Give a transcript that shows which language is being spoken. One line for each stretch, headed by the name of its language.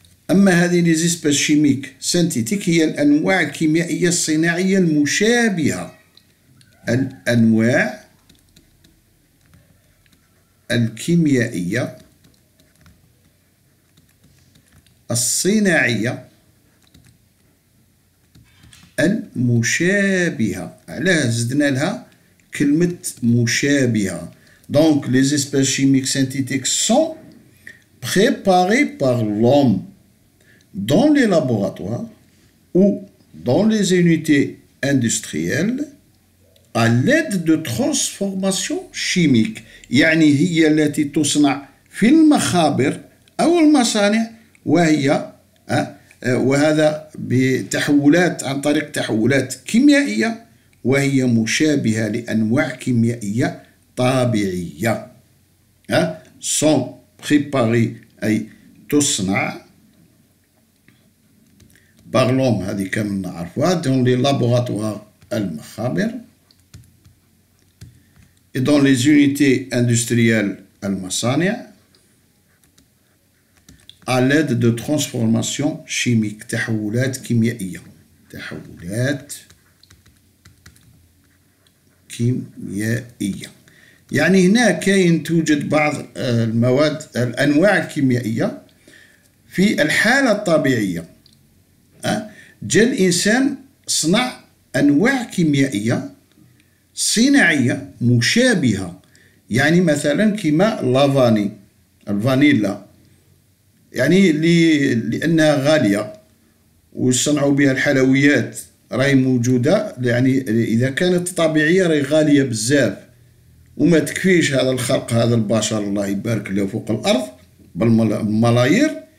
Arabic: أما هذه
French: لي زيسباس شيميك سينتيتيك
Arabic: هي الأنواع الكيميائية الصناعية المشابهة، الأنواع الكيميائية الصناعية المشابهة. علاه زدنا لها كلمة مشابهة؟
French: Donc les espèces chimiques synthétiques sont préparées par l'homme dans les laboratoires ou dans les unités industrielles à l'aide de transformations chimiques.
Arabic: يعني هي التي تصنع في المخابر أو المصانع، وهي وهذا بتحولات عن طريق تحولات كيميائية، وهي مشابهة لأنواع كيميائية طبيعية.
French: sont préparées
Arabic: أي تصنع
French: par l'homme،
Arabic: هذه كما نعرفها
French: dans les laboratoires المخابر et dans les unités industrielles المصانع à l'aide de transformations chimiques،
Arabic: تحولات كيميائية، تحولات كيميائية. يعني هنا كاين توجد بعض المواد الأنواع الكيميائية في الحالة الطبيعية. جاء الإنسان صنع أنواع كيميائية صناعية مشابهة، يعني مثلا كيما لافاني الفانيلا، يعني لأنها غالية ويصنعوا بها الحلويات راهي موجودة، يعني إذا كانت طبيعية راهي غالية بزاف وما تكفيش هذا الخلق، هذا البشر الله يبارك له فوق الأرض بالملايير.